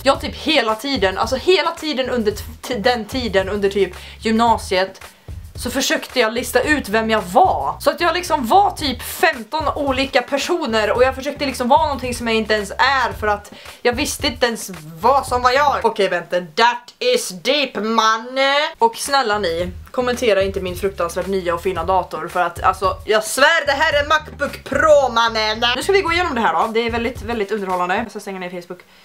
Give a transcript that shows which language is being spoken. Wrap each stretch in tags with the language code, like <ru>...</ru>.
<sv>Jag typ hela tiden, alltså hela tiden under den tiden, under typ gymnasiet, så försökte jag lista ut vem jag var. Så att jag liksom var typ 15 olika personer. Och jag försökte liksom vara någonting som jag inte ens är, för att jag visste inte ens vad som var jag. Okej, vänta,</sv> <en>that is deep, man.</en> <sv>Och snälla ni, kommentera inte min fruktansvärt nya och fina dator. För att, alltså, jag svär, det här är MacBook Pro, mannen. Nu ska vi gå igenom det här då. Det är väldigt, väldigt underhållande. Jag ska stänga ner Facebook.</sv>